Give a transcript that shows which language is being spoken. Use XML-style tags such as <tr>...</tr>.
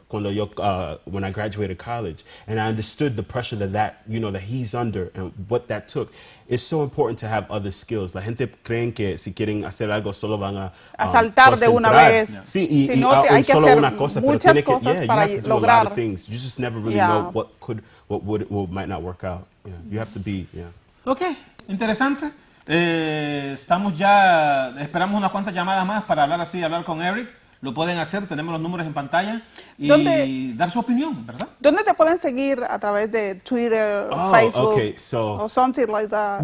<es>cuando yo</es> <en>when I graduated college, and I understood the pressure that you know that he's under and what that took. It's so important to have other skills.</en> <es>La gente creen que si quieren hacer algo solo van a asaltar de una vez. Sí, y solo una cosa, pero tiene que lograr.</es> <en>A lot of things. You just never really know what might not work out. You have to be.</en> <es>Okay, interesante. Estamos ya, esperamos unas cuantas llamadas más para hablar así, hablar con Eric. Lo pueden hacer, tenemos los números en pantalla y dar su opinión, ¿verdad? ¿Dónde te pueden seguir? ¿A través de Twitter, Facebook,</es> <en>okay, so, or something like that?</en>